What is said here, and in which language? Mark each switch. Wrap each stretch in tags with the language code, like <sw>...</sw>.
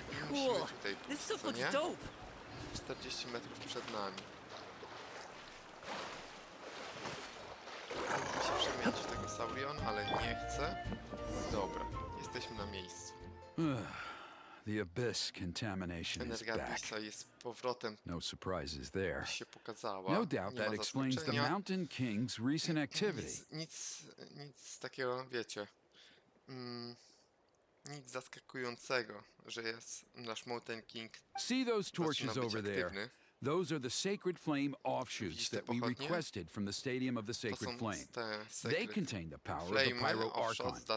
<pl>Musimy tutaj pójść, co nie? 40 metrów przed nami. Mógłbym się przemienić w tego Saurion, ale nie chcę. Dobra, jesteśmy na miejscu.</pl> <en>The abyss contamination is back. No surprises there. No doubt that explains the Mountain King's recent activity.</en> <pl>Nic takiego, wiecie. Nic zaskakującego, że jest nasz Mountain King.</pl> <en>See those torches over there? Those are the Sacred Flame offshoots that we requested from the Stadium of the Sacred Flame. They contain the power of the Pyro Archon.</en>